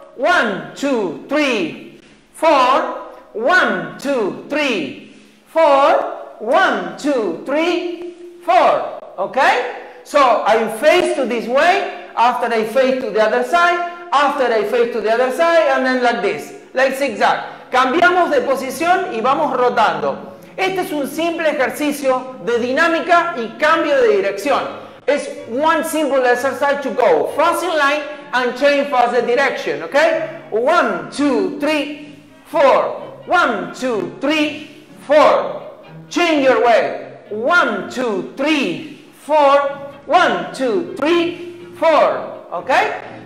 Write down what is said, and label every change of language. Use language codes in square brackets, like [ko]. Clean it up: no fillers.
[en] One, two, three, four. One, two, three, four. One, two, three, four. Okay? So I face to this way, after I face to the other side, after I face to the other side, and then like this. Like zigzag. [es] Cambiamos de posición y vamos rotando. Este es un simple ejercicio de dinámica y cambio de dirección. [en] It's one simple exercise to go. Fast in line and change fast the direction, okay? One, two, three, four. One, two, three, four. Change your way. One, two, three, four. One, two, three, four. Okay?